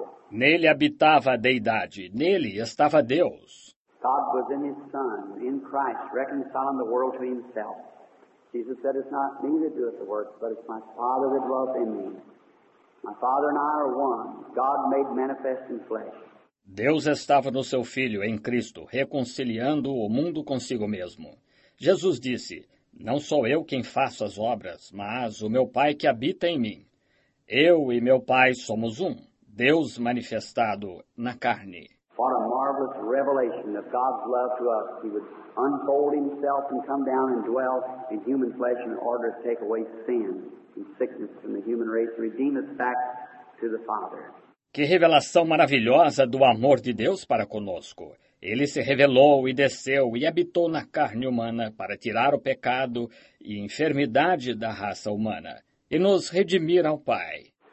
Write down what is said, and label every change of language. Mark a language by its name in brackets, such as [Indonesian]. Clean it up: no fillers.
[Portuguese] Nele habitava a deidade, nele estava Deus. [English] God was in his Son, in Christ, reconciling the world to himself. Jesus said, it's not me that doeth the works, but it's my Father that dwelleth in me. My Father and I are one, God made manifest in flesh. [Portuguese] Deus estava no seu Filho, em Cristo, reconciliando o mundo consigo mesmo. Jesus disse, não sou eu quem faço as obras, mas o meu Pai que habita em mim. Eu e meu Pai somos um, Deus manifestado na carne. [English] What a marvelous revelation of God's love to us. He would unfold himself and come down and dwell in human flesh in order to take away sin and sickness from the human race and redeem us back to the Father. [Portuguese] Que revelação maravilhosa do amor de Deus para conosco. Ele se revelou e desceu e habitou na carne humana para tirar o pecado e enfermidade da raça humana e nos redimir ao Pai.